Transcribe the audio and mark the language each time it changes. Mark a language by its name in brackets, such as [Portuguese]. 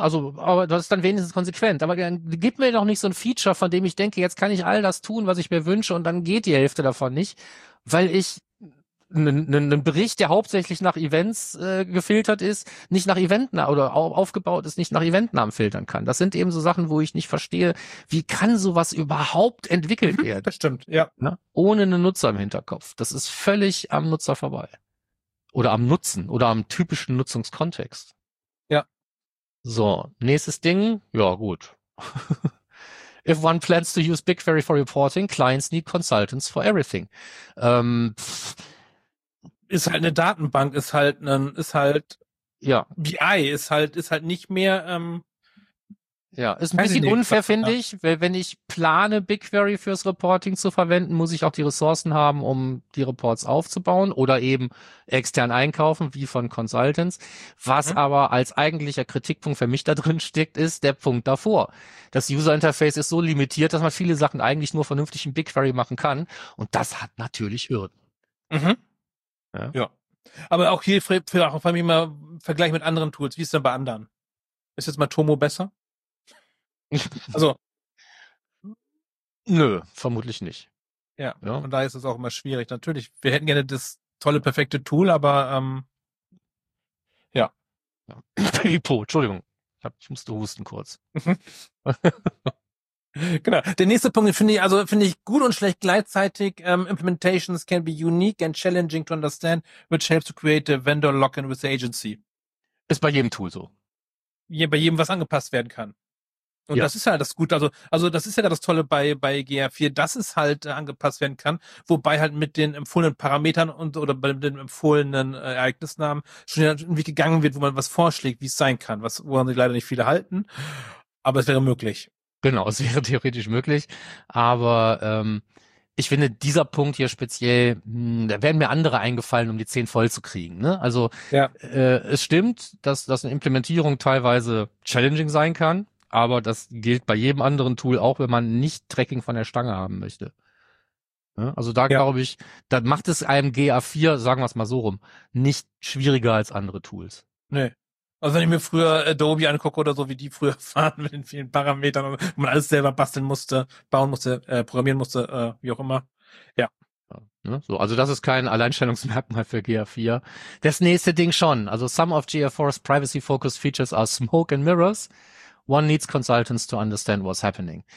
[German] Also, aber das ist dann wenigstens konsequent. Aber gib mir doch nicht so ein Feature, von dem ich denke, jetzt kann ich all das tun, was ich mir wünsche, und dann geht die Hälfte davon nicht, weil ich einen Bericht, der hauptsächlich nach Events gefiltert ist, nicht nach Eventen oder aufgebaut ist, nicht nach Eventnamen filtern kann. Das sind eben so Sachen, wo ich nicht verstehe, wie kann sowas überhaupt entwickelt werden? Das stimmt, ja. Ne? Ohne einen Nutzer im Hinterkopf. Das ist völlig am Nutzer vorbei. Oder am Nutzen oder am typischen Nutzungskontext. So, nächstes Ding, ja gut. [English] If one plans to use BigQuery for reporting, clients need consultants for everything. [German] Ist halt eine Datenbank, ist halt nicht mehr. Ja, ist ein bisschen unfair, finde ich, weil wenn ich plane, BigQuery fürs Reporting zu verwenden, muss ich auch die Ressourcen haben, um die Reports aufzubauen oder eben extern einkaufen, wie von Consultants. Was aber als eigentlicher Kritikpunkt für mich da drin steckt, ist der Punkt davor. Das User Interface ist so limitiert, dass man viele Sachen eigentlich nur vernünftig in BigQuery machen kann. Und das hat natürlich Hürden. Mhm. Ja. Aber auch hier vor allem immer Vergleich mit anderen Tools. Wie ist denn bei anderen? Ist jetzt mal Tomo besser? Also, nö, vermutlich nicht. Ja, ja, und da ist es auch immer schwierig. Natürlich, wir hätten gerne das tolle, perfekte Tool, aber ja. Pipo, Entschuldigung, ich musste husten kurz. Genau, der nächste Punkt, finde ich gut und schlecht gleichzeitig. [English] Implementations can be unique and challenging to understand, which helps to create a vendor lock-in with the agency. [German] Ist bei jedem Tool so. Ja, bei jedem, was angepasst werden kann. Und Das ist ja das Gute, also das ist ja das Tolle bei GA4, dass es halt angepasst werden kann, wobei halt mit den empfohlenen Parametern und oder bei den empfohlenen Ereignisnamen schon irgendwie gegangen wird, wo man was vorschlägt, wie es sein kann, woran sich leider nicht viele halten, aber es wäre möglich. Genau, es wäre theoretisch möglich, aber ich finde, dieser Punkt hier speziell, da werden mir andere eingefallen, um die 10 voll zu kriegen. Ne? Also ja. Es stimmt, dass eine Implementierung teilweise challenging sein kann, aber das gilt bei jedem anderen Tool auch, wenn man nicht Tracking von der Stange haben möchte. Also da glaube ich, da macht es einem GA4, sagen wir es mal so rum, nicht schwieriger als andere Tools. Nee. Also wenn ich mir früher Adobe angucke oder so, wie die früher fahren mit den vielen Parametern und man alles selber basteln musste, bauen musste, programmieren musste, wie auch immer. Ja. So, also das ist kein Alleinstellungsmerkmal für GA4. Das nächste Ding schon. [English] Also some of GA4's privacy-focused features are smoke and mirrors. One needs consultants to understand what's happening.